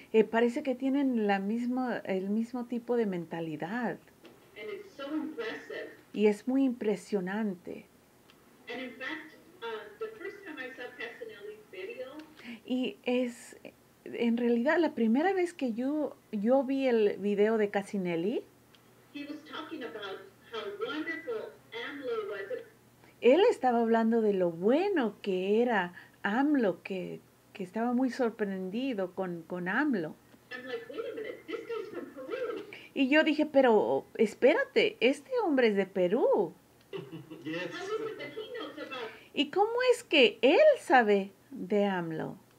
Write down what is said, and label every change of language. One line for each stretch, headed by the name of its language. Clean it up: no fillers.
Spanish: Parece que tienen el mismo tipo de mentalidad.
English: And it's so impressive.
Spanish: Y es muy impresionante.
English: And in fact, the first time I saw Casinelli's video,
Spanish: y es... En realidad, la primera vez que yo vi el video de Casinelli, él estaba hablando de lo bueno que era AMLO, que estaba muy sorprendido con AMLO.
English: I'm like, wait a minute, this guy's from Peru.
Spanish: Y yo dije, pero espérate, este hombre es de Perú.
English: Yes. How is it that he knows about...
Spanish: ¿Y cómo es que él sabe de AMLO?